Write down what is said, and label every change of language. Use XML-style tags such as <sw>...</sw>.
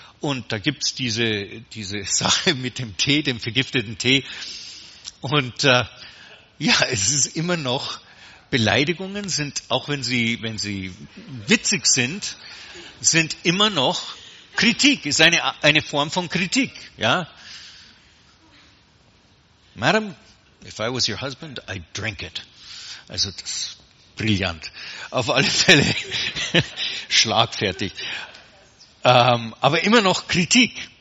<de>Und da gibt es diese Sache mit dem Tee, dem vergifteten Tee. Und ja, es ist immer noch, Beleidigungen sind, auch wenn sie witzig sind, sind immer noch Kritik, ist eine Form von Kritik.</de> <en>Ja, Madam, if I was your husband, I'd drink it.</en> <de>Also das ist brillant. Auf alle Fälle schlagfertig. Aber immer noch Kritik.</de>